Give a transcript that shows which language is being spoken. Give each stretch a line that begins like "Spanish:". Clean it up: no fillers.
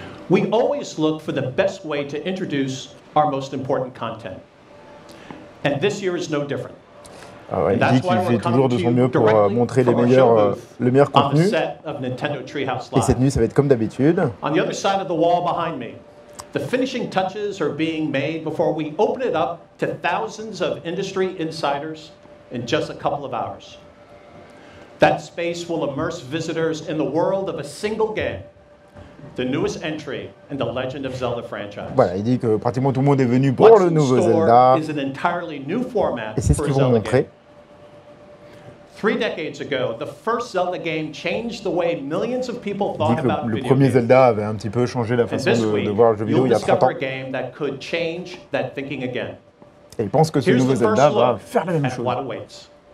English: We always look for the best way to introduce our most important content. And this year is no different.
French: Ah ouais, il dit qu'il fait toujours de son mieux pour montrer les meilleurs, le meilleur contenu. Et cette nuit, ça va être comme d'habitude.
English: On the other side of the wall behind me. The finishing touches are being made before we open it up to thousands of industry insiders in just a couple of hours. That space will immerse visitors in the world of a single game, the newest entry in the Legend of Zelda franchise.
French: Voilà, il dit que pratiquement tout le monde est venu pour le nouveau Zelda.
English: Is an entirely new format.
French: Et c'est ce qu'ils vont montrer.
English: Three decades ago, the first Zelda game changed the way millions of people thought about video games.
French: Le premier Zelda avait un petit peu changé la façon de voir le jeu vidéo il y a 30 ans.
English: Game that could change that thinking again.
French: Et il pense que ce nouveau Zelda va faire la même chose.